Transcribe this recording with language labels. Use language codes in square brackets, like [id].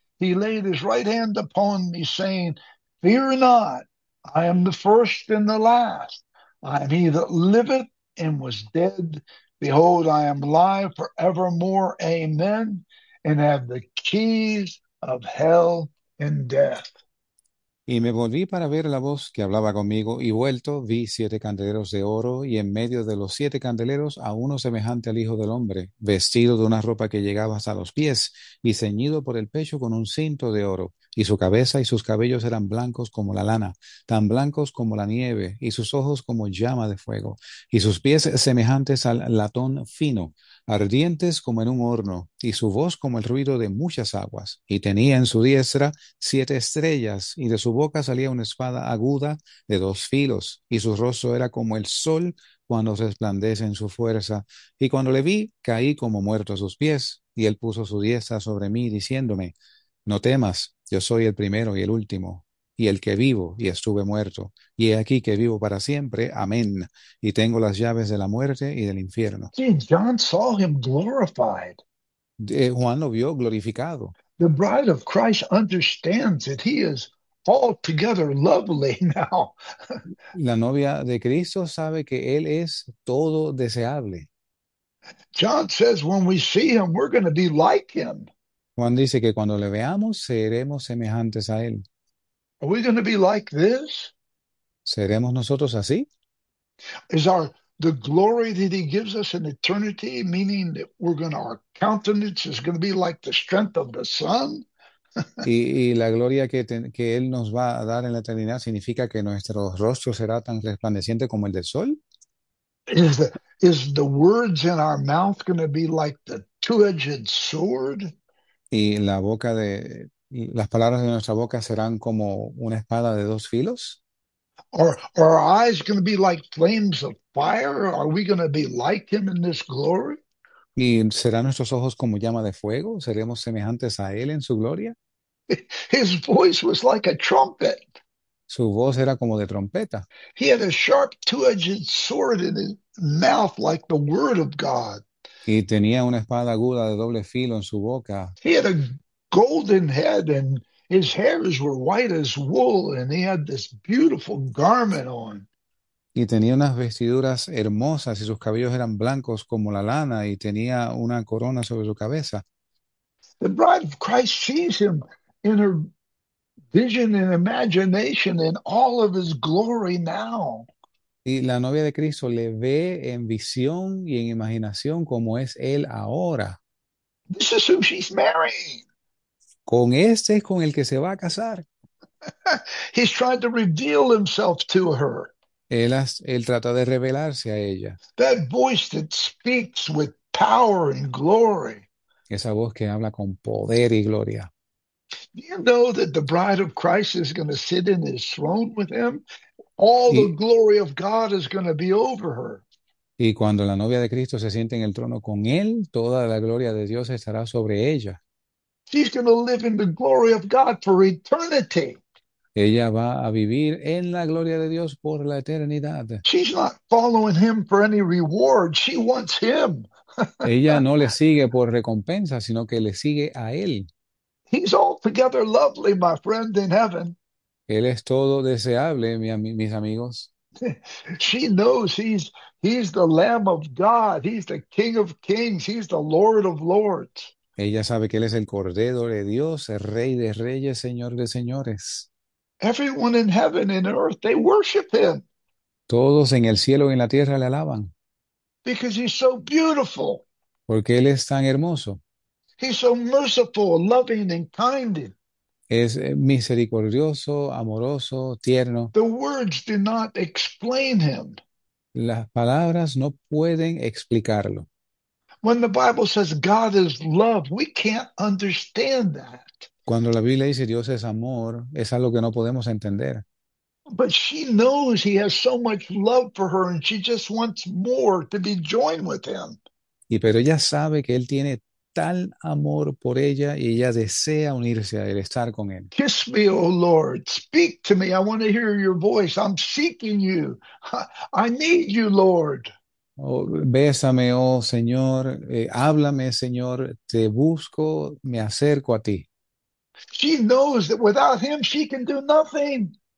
[en] He laid his right hand upon me, saying, Fear not, I am the first and the last. I am he that liveth and was dead. Behold, I am alive forevermore. Amen. And have the keys of hell and death. [es] Y me volví para ver la voz que hablaba conmigo, y vuelto, vi siete candeleros de oro, y en medio de los siete candeleros a uno semejante al Hijo del Hombre, vestido de una ropa que llegaba hasta los pies, y ceñido por el pecho con un cinto de oro, y su cabeza y sus cabellos eran blancos como la lana, tan blancos como la nieve, y sus ojos como llama de fuego, y sus pies semejantes al latón fino, ardientes como en un horno, y su voz como el ruido de muchas aguas, y tenía en su diestra siete estrellas, y de su boca salía una espada aguda de dos filos, y su rostro era como el sol cuando resplandece en su fuerza. Y cuando le vi, caí como muerto a sus pies, y él puso su diestra sobre mí, diciéndome: No temas, yo soy el primero y el último, y el que vivo y estuve muerto, y he aquí que vivo para siempre, amén, y tengo las llaves de la muerte y del infierno. [en] See, John saw him glorified. [es] Juan lo vio glorificado. [en] The bride of Christ understands that he is altogether lovely now. [es] La novia de Cristo sabe que él es todo deseable. [en] John says, when we see him, we're going to be like him. [es] Juan dice que cuando le veamos, seremos semejantes a él. [en] Are we going to be like this? [es] ¿Seremos nosotros así? [en] Is our The glory that he gives us in eternity, meaning that we're going to, our countenance is going to be like the strength of the sun. [es] Y la gloria que Él nos va a dar en la eternidad significa que nuestro rostro será tan resplandeciente como el del sol. [en] Is the words in our mouth going to be like the two-edged sword? [es] Y las palabras de nuestra boca serán como una espada de dos filos. [en] Are our eyes going to be like flames of fire? Are we going to be like him in this glory? [es] Y serán nuestros ojos como llama de fuego. Seremos semejantes a Él en su gloria. [en] His voice was like a trumpet. [es] Su voz era como de trompeta. [en] He had a sharp two-edged sword in his mouth like the word of God. [es] Y tenía una espada aguda de doble filo en su boca. [en] He had a golden head and his hairs were white as wool and he had this beautiful garment on. [es] Y tenía unas vestiduras hermosas y sus cabellos eran blancos como la lana y tenía una corona sobre su cabeza. [en] The bride of Christ sees him in her vision and imagination in all of his glory now. [es] Y la novia de Cristo le ve en visión y en imaginación como es él ahora. [en] This is who she's marrying. [es] Con este es con el que se va a casar. [en] He's trying to reveal himself to her. [es] Él trata de revelarse a ella. [en] That voice that speaks with power and glory. [es] Esa voz que habla con poder y gloria. [en] You know that the bride of Christ is going to sit in his throne with him? All the glory of God is going to be over her. [es] Y cuando la novia de Cristo se siente en el trono con él, toda la gloria de Dios estará sobre ella. [en] She's going to live in the glory of God for eternity. [es] Ella va a vivir en la gloria de Dios por la eternidad. [en] She's not following him for any reward. She wants him. [es] Ella no le sigue por recompensa, sino que le sigue a él. [en] He's altogether lovely, my friend, in heaven. [es] Él es todo deseable, mis amigos. [en] She knows he's the Lamb of God. He's the King of Kings. He's the Lord of Lords. [es] Ella sabe que él es el Cordero de Dios, el Rey de Reyes, Señor de Señores. [en] Everyone in heaven and earth, they worship him [es] Todos en el cielo y en la tierra le alaban. [en] because he's so beautiful. [es] Porque Él es tan hermoso. [en] He's so merciful, loving, and kind. [es] Es misericordioso, amoroso, tierno. [en] The words do not explain him. [es] Las palabras no pueden explicarlo. [en] When the Bible says God is love, we can't understand that. [es] Cuando la Biblia dice Dios es amor, es algo que no podemos entender. [en] But she knows he has so much love for her, and she just wants more to be joined with him. [es] Y pero ella sabe que él tiene tal amor por ella y ella desea unirse a él, estar con él. [en] Kiss me, oh Lord. Speak to me. I want to hear your voice. I'm seeking you. I need you, Lord. [es] Oh, bésame, oh Señor, háblame, Señor, te busco, me acerco a ti. [en] She knows that without him, she can do nothing.